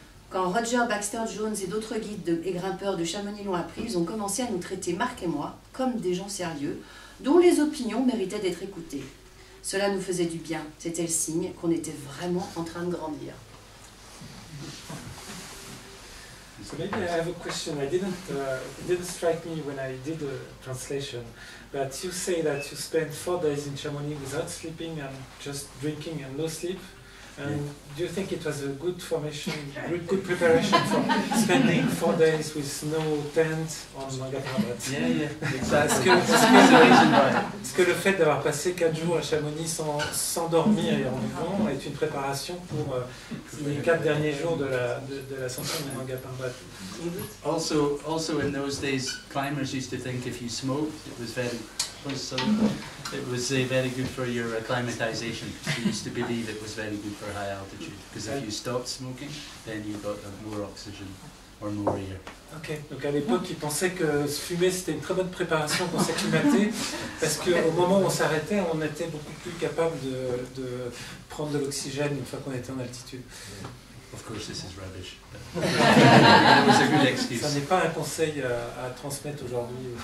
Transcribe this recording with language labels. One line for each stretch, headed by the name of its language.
French: Quand Roger Baxter-Jones et d'autres guides et grimpeurs de Chamonix l'ont appris, ils ont commencé à nous traiter, Marc et moi, comme des gens sérieux, dont les opinions méritaient d'être écoutées. Cela nous faisait du bien. C'était le signe qu'on était vraiment en train de grandir.
English: So maybe I have a question. It didn't strike me when I did the translation, but you say that you spent 4 days in Chamonix without sleeping and just drinking and no sleep. And yeah. Do you think it was a good formation, good preparation for spending 4 days with no tent on Mangapharbat? Yeah, exactly.
French: Est-ce que le fait d'avoir passé 4 jours à Chamonix sans dormir et en vivant est une préparation pour les 4 derniers jours de l'ascension de Mangapharbat?
English: Also, in those days, climbers used to think if you smoked, it was very... So it was very good for your acclimatization. You used to believe it was very good for high altitude because if you stopped smoking, then you got more oxygen or more air. Okay.
French: Donc à l'époque, ils pensaient que fumer c'était une très bonne préparation pour s'acclimater parce qu'au moment où on s'arrêtait, on était beaucoup plus capable de prendre de l'oxygène une fois qu'on était en altitude.
English: Yeah. Of course, this is rubbish. It was a good excuse.
French: Ça n'est pas un conseil à transmettre aujourd'hui.